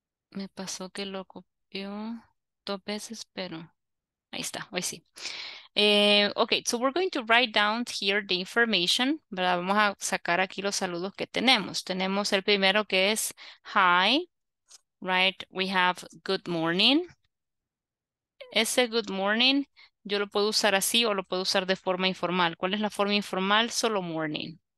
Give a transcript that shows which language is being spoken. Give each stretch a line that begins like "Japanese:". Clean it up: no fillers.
Spanish: Me pasó que lo copió dos veces, pero... Ahí está. Hoy sí. Ok.
English: So we're going to write down here the information.
Spanish: ¿Verdad? Vamos a sacar aquí los saludos que tenemos. Tenemos el primero que es hi. Right?
English: We have good morning.
Spanish: Ese good morning, yo lo puedo usar así o lo puedo usar de forma informal. ¿Cuál es la forma informal? Solo morning.